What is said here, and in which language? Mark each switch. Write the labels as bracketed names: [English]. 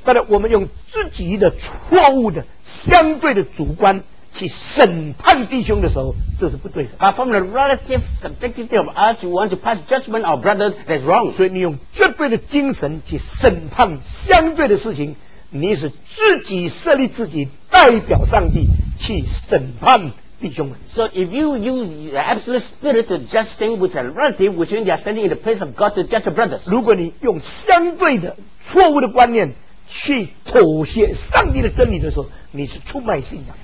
[Chinese] 但是我们用自己的错误的相对的主观去审判弟兄的时候，这是不对的。 [English] But from the relative subjectivity of us, you want to pass judgment on brother, that's wrong. [Chinese] 所以你用绝对的精神去审判相对的事情，你是自己设立自己代表上帝去审判。 [English] So if you use the absolute spirit to judge things which are relative, which means they are standing in the place of God to judge the brothers. [Chinese] 如果你用相对的错误的观念去妥协上帝的真理的时候，你是出卖信仰。